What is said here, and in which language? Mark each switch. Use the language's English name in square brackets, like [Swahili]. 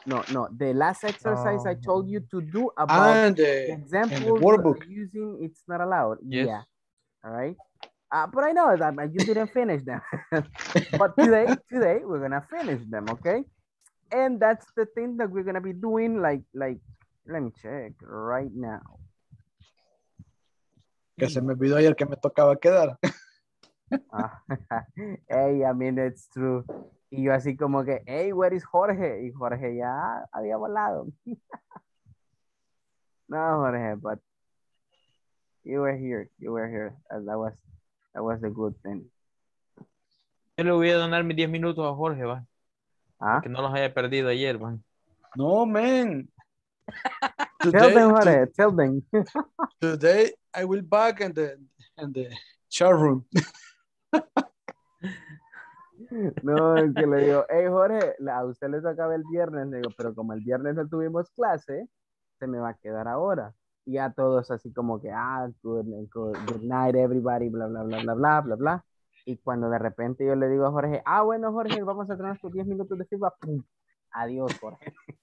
[English] The last exercise I told you to do about the example using it's not allowed. Yes. Yeah. All right. But I know that you didn't finish them. But today we're going to finish them, okay? And that's the thing that we're going to be doing like let me check right now. [Spanish] Que se me olvidó ayer que me tocaba quedar. [English] Hey, I mean, it's true. [Spanish] Y yo así como que, [English] hey, where is Jorge? [Spanish] Y Jorge ya había volado. [English] No, Jorge, but you were here. That was the good thing. [Spanish] Yo le voy a donar mis 10 minutos a Jorge, va. ¿Ah? Que no los haya perdido ayer, va. [English] No, man. Tell them, Jorge. Today, I will back in the chat room. [Spanish] No, es que le digo, hey Jorge, a usted le tocaba el viernes, le digo, pero como el viernes no tuvimos clase, se me va a quedar ahora. Y a todos así como que, [English] good night everybody, [Spanish] bla, bla, bla, bla, bla, bla, bla. Y cuando de repente yo le digo a Jorge, bueno Jorge, vamos a tener nuestros 10 minutos de feedback, ¡pum! Adiós Jorge.